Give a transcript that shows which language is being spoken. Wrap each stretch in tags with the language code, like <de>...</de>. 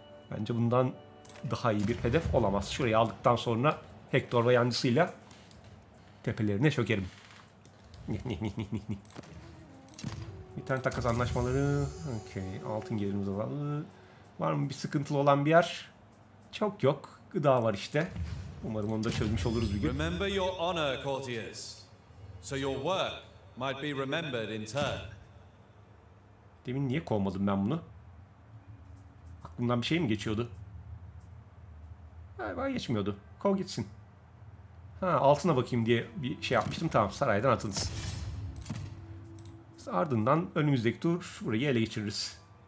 <tr>Bence bundan daha iyi bir hedef olamaz. Şurayı aldıktan sonra Hector ve yancısıyla tepelerine çökerim. Bir tane takas anlaşmaları. Okay. Altın gelirimiz var. Var mı bir sıkıntılı olan bir yer? Çok yok. Gıda var işte. Umarım onu da çözmüş oluruz bir gün.</tr> <en>Remember your honor, courtiers. So your work might be remembered in turn.</en> <tr>Demin niye kovmadım ben bunu? Aklımdan bir şey mi geçiyordu? Galiba geçmiyordu. Kov gitsin. Ha altına bakayım diye bir şey yapmıştım. Tamam saraydan atınız. Ardından önümüzdeki tur burayı ele geçiririz.</tr>